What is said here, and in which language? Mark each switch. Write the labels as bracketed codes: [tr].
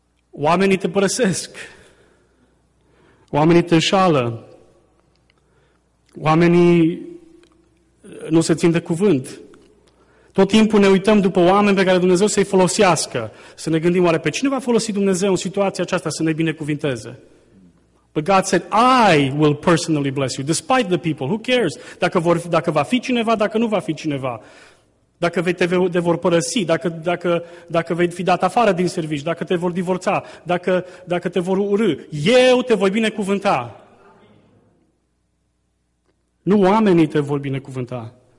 [ro] Oamenii te părăsesc. Oamenii te înșală. Oamenii nu se țin de cuvânt. Tot timpul ne uităm după oameni pe care Dumnezeu să-i folosească. Să ne gândim, oare pe cine va folosi Dumnezeu în situația aceasta să ne binecuvinteze? [en] But God said, I will personally bless you, despite the people, who cares? [ro] Dacă va fi cineva, dacă nu va fi cineva. Dacă te vor părăsi, dacă vei fi dat afară din servici, dacă te vor divorța, dacă te vor urâ, eu te voi binecuvânta. Nu oamenii te vor binecuvânta.